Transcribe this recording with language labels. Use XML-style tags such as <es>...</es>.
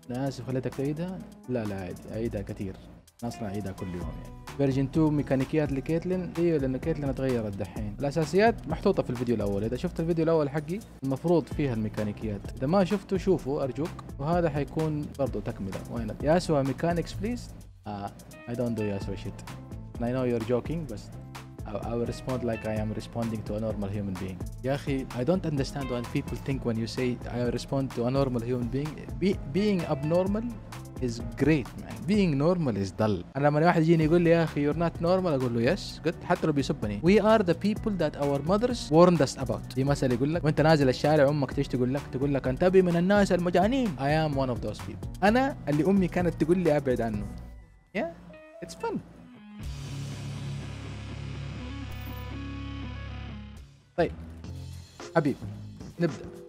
<ar>أنا آسف خليتك تعيدها. لا لا أعيدها كثير. أصلا أعيدها كل يوم يعني. فيرجن 2 ميكانيكيات لكيتلين. إيوه لأن كيتلين تغيرت دحين. الأساسيات محطوطة في الفيديو الأول. إذا شفت الفيديو الأول حقي المفروض فيها الميكانيكيات. إذا ما شفته شوفه أرجوك. وهذا حيكون برضو تكملة. وين ياسوا ميكانيكس بليز.</ar> <en>I don't do Yasuo shit. And I know you're joking, but I will respond like I am responding to a normal human being.</en> <ar>يا أخي,</ar> <en>I don't understand what people think when you say I respond to a normal human being. Being abnormal is great, man. Being normal is dull.</en> <ar>أنا لما واحد يجيني يقول لي يا أخي</ar> <en>you're not normal,</en> <ar>أقول له yes. قلت حتى لو بيسبني.</ar> <en>We are the people that our mothers warned us about.</en> <ar>دي مثلا يقول لك وأنت نازل الشارع أمك تيجي تقول لك أنت أبي من الناس المجانين.</ar> <en>I am one of those people.</en> <ar>أنا اللي أمي كانت تقول لي أبعد عنه.</ar> <en>Yeah, it's fun.</en> <ar>طيب حبيب نبدأ.</ar>